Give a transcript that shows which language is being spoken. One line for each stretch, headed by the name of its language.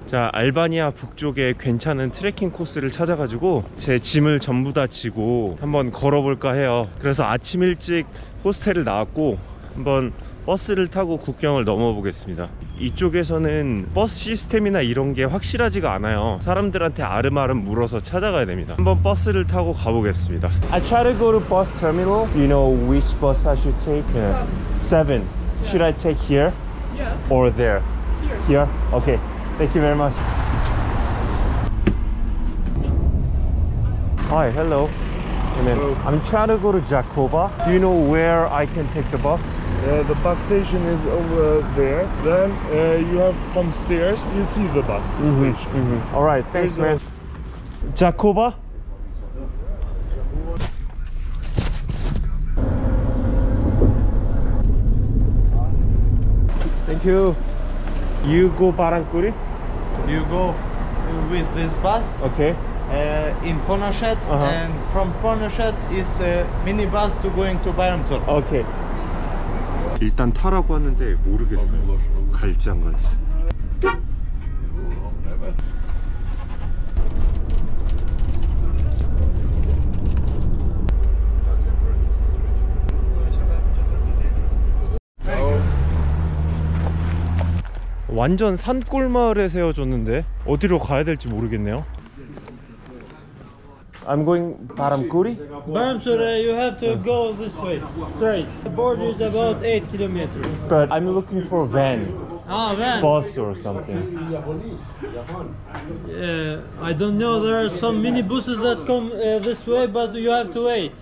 Korean: 자, 알바니아 북쪽에 괜찮은 트레킹 코스를 찾아가지고 제 짐을 전부 다 지고 한번 걸어볼까 해요. 그래서 아침 일찍 호스텔을 나왔고 한번 버스를 타고 국경을 넘어 보겠습니다. 이쪽에서는 버스 시스템이나 이런 게 확실하지가 않아요. 사람들한테 아름아름 물어서 찾아가야 됩니다. 한번 버스를 타고 가보겠습니다.
English: I try to go to bus terminal. You know which bus I should take? Yeah. Seven. Should I take here? Yeah. Or there? Here. Here? Okay. Thank you very much. Hi, hello. Hello. I'm trying to go to Jacoba. Do you know where I can take the bus? The bus station is over there. Then you have some stairs. You see the bus station. All right, thanks, man. Jacoba? 땡큐.
Korean: 유고 바람꾸리?
English: 유고 with this bus. Okay. In Ponochet and from Ponochet is a minibus to going to Baramzor. Okay.
Korean: 일단 타라고 하는데 모르겠어요. 갈지 안 갈지. 완전 산골 마을에 세워줬는데 어디로 가야 될지 모르겠네요.
English: I'm going Baramkuri. Baramsura, you have to go this way, straight. The border is about 8 kilometers. But I'm looking for a van. Ah, van. Bus or something. I don't know. There are some minibuses that come this way, but you have to wait.